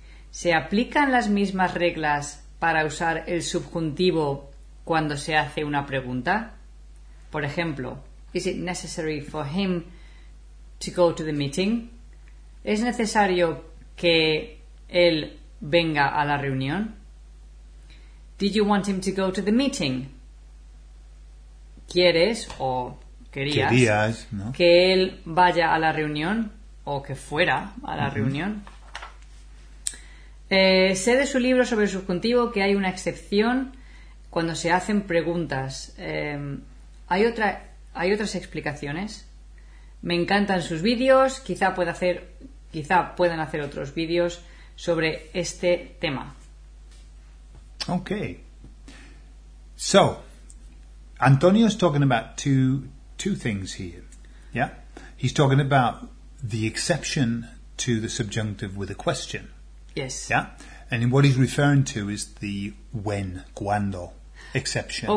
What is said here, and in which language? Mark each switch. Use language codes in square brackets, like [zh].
[es] ¿Se aplican las mismas reglas para usar el subjuntivo cuando se hace una pregunta? Por ejemplo, [en] is it necessary for him to go to the meeting? [es] ¿Es necesario que él venga a la reunión? [en] Did you want him to go to the meeting? [es] ¿Quieres o querías, ¿no?, que él vaya a la reunión? O que fuera a la reunión. Sé de su libro sobre el subjuntivo que hay una excepción cuando se hacen preguntas. ¿Hay otras explicaciones? Me encantan sus vídeos. Quizá puedan hacer otros vídeos sobre este tema. [en] Okay. So, Antonio is talking about two things here. Yeah, he's talking about the exception to the subjunctive with a question. Yes. Yeah? And what he's referring to is the when, cuando exception.